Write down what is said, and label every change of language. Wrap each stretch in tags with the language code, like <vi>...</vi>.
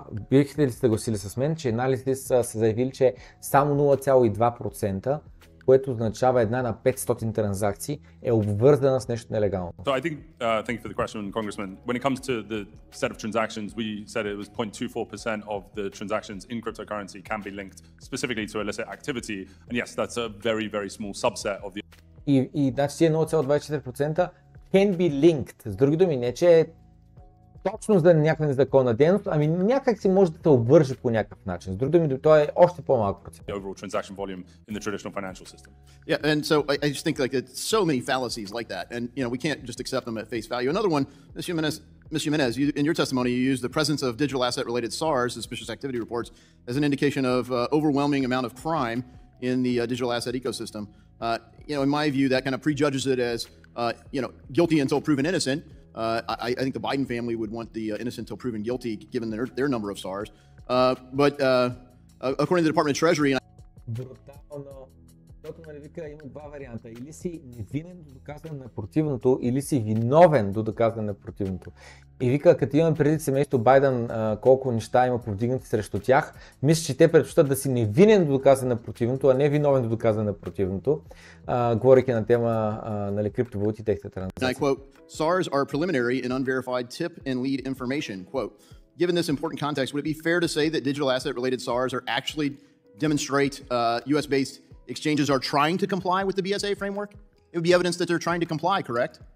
<bg>Бихте ли съгласили с мен, че анализите са заявили, че само 0.2%, което означава една на 500 транзакции, е обвързана с нещо нелегално.</bg> <en>So I think thank you for the question, Congressman. When it comes to the set of transactions, we said it was 0.24% of the transactions in cryptocurrency can be linked specifically to illicit activity. And yes, that's a very, very small subset of the...</en> <bg>И значи</bg> <en>0.24% can be linked.</en> <bg>С други думи, не че точно за някаква незаконна дейност, ами някак си може да се обвържи по някакъв начин. С други думи, това е още по-малко процент.</bg> <en>The overall transaction volume in the traditional financial system. Yeah, and so I just think like it's so many fallacies like that, and you know we can't just accept them at face value. Another one, Ms. Jimenez, you, in your testimony, you used the presence of digital asset related SARs, suspicious activity reports, as an indication of overwhelming amount of crime in the digital asset ecosystem. You know, in my view, that kind of prejudges it as you know guilty until proven innocent. I think the Biden family would want the innocent until proven guilty, given their number of SARs. But according to the Department of Treasury...</en> <bg>Брутално. Тото, нали вика, има два варианта. Или си невинен до доказване на противното, или си виновен до доказване на противното. И вика, като имаме преди семейство Байден, колко неща има повдигнати срещу тях, мисля, че те предпочитат да си невинен до доказване на противното, а не виновен до доказване на противното, говоряки на тема нали, криптовалути и техните транзакции.</bg> <en>SARs are preliminary and unverified tip and lead information. Quote, given this important context, would it be fair to say that digital asset related SARs are actually demonstrate US based exchanges are trying to comply with the BSA framework? It would be evidence that they're trying to comply, correct?</en>